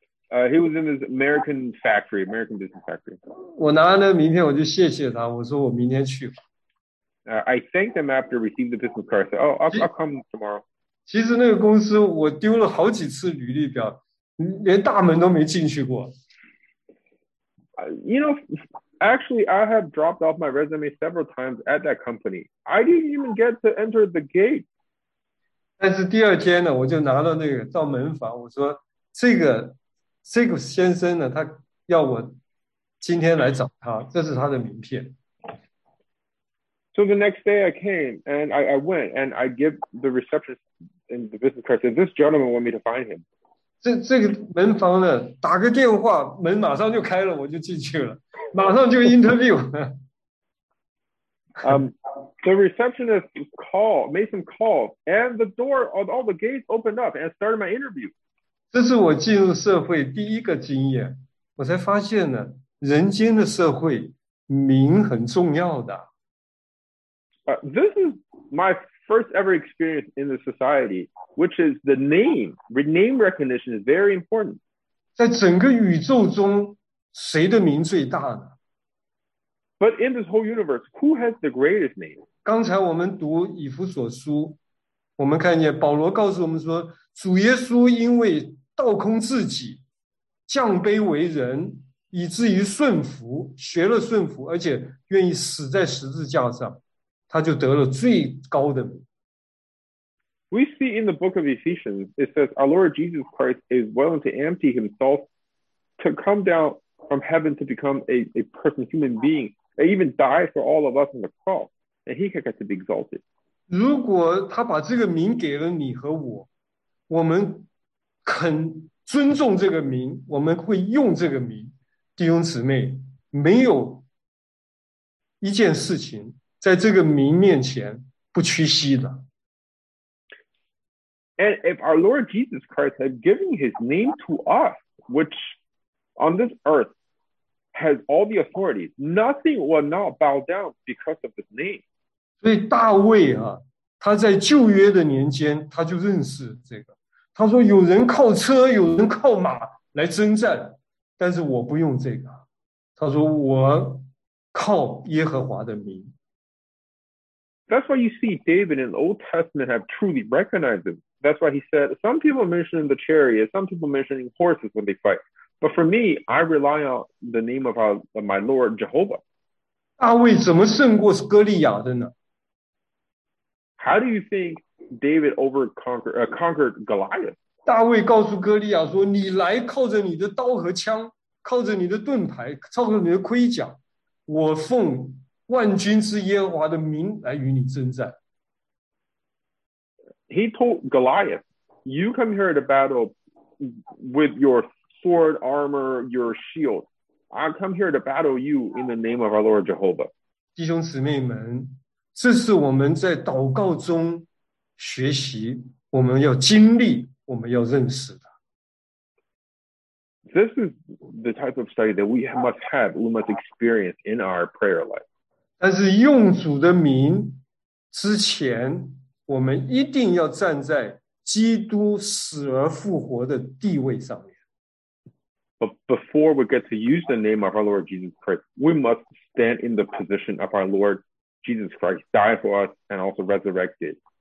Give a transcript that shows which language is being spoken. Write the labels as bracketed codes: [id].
[en] He was in his American factory, American business factory. [zh] 我拿了那个名片，我就谢谢他，我说我明天去。 [en] I thanked him after receiving the business card. Said, "Oh, I'll come tomorrow." [zh] 其实那个公司我丢了好几次履历表，连大门都没进去过。 [en] You know, actually, I have dropped off my resume several times at that company. I didn't even get to enter the gate. [zh] 但是第二天呢，我就拿了那个到门房，我说这个先生呢，他要我今天来找他，这是他的名片。 [en] So the next day I came and I went and I give the receptionist in the business card said, this gentleman want me to find him. [zh] 这个门房呢打个电话门马上就开了我就进去了马上就 interview. [en] The receptionist made some calls and the door of all the gates opened up and started my interview. [zh] 这是我进入社会第一个经验我才发现呢人间的社会名很重要的。 [en] This is my first ever experience in the society, which is the name. Name recognition is very important. [zh] 在整个宇宙中，谁的名最大呢？ [en] But in this whole universe, who has the greatest name? [zh] 刚才我们读以弗所书，我们看见保罗告诉我们说，主耶稣因为倒空自己，降卑为人，以至于顺服，学了顺服，而且愿意死在十字架上。他就得了最高的名。 [en] We see in the book of Ephesians, it says, our Lord Jesus Christ is willing to empty himself to come down from heaven to become a person, human being, and even die for all of us on the cross, and he can get to be exalted. [zh] 如果他把这个名给了你和我，我们肯尊重这个名，我们会用这个名，弟兄姊妹，没有一件事情在这个名面前不屈膝的。 [en] And if our Lord Jesus Christ had given his name to us, which on this earth has all the authority, nothing will not bow down because of his name. [zh] 所以大卫啊，他在旧约的年间他就认识这个。他说有人靠车，有人靠马来征战，但是我不用这个。他说我靠耶和华的名。 [en] That's why you see David in the Old Testament have truly recognized him. That's why he said, some people mention the chariot, some people mention horses when they fight. But for me, I rely on the name of my Lord, Jehovah. [zh] 大卫怎么胜过哥利亚的呢? [en] How do you think David conquered Goliath? [zh] 大卫告诉哥利亚说,你来靠着你的刀和枪,靠着你的盾牌,靠着你的盔甲,我奉万军之耶和华的名来与你征战。 [en] He told Goliath, "You come here to battle with your sword, armor, your shield. I come here to battle you in the name of our Lord Jehovah." [zh] 弟兄姊妹们，这是我们在祷告中学习，我们要经历，我们要认识的。 [en] This is the type of study that we must have, we must experience in our prayer life. [zh] 但是用主的名之前，我们一定要站在基督死而复活的地位上面。 [en] But before we get to use the name of our Lord Jesus Christ, we must stand in the position of our Lord Jesus Christ, die for us and also resurrected.